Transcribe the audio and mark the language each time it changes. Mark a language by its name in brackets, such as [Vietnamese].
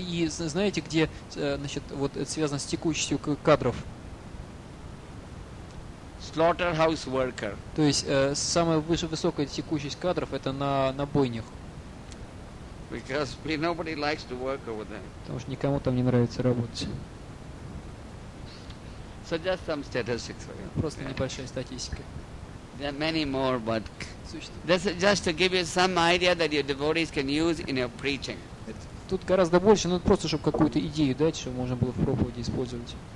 [Russian] Знаете, где, значит, вот это связано с текучестью кадров? [English] Slaughterhouse worker. [Russian] То есть самая высокая текучесть кадров это на бойнях. [English] Because nobody likes to work over there. [Russian] Потому что никому там не нравится работать. [English] So just some statistics for you. [Russian] Просто небольшая статистика. [English] There are many more, but this is just to give you some idea that your devotees can use in your preaching. [Russian] Тут гораздо больше, но просто чтобы какую-то идею дать, чтобы можно было в проповеди использовать.